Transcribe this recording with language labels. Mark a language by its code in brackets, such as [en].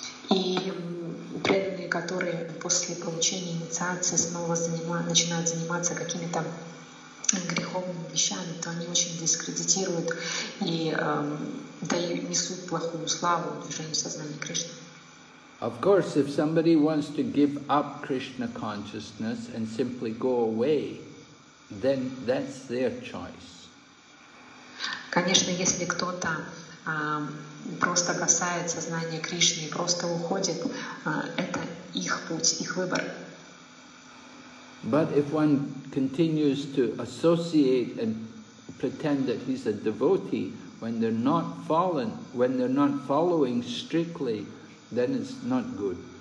[ru] И преданные, которые после получения инициации снова начинают заниматься какими-то греховными вещами, то они очень дискредитируют и несут плохую славу движению сознания Кришны. [en] Of course, if somebody wants to give up Krishna consciousness and simply go away, then that's their choice. [ru] Конечно, если кто-то просто бросает сознание Кришны и просто уходит, это их путь, их выбор. [en] But if one continues to associate and pretend that he's a devotee, when they're not fallen, when they're not following strictly, then it's not good.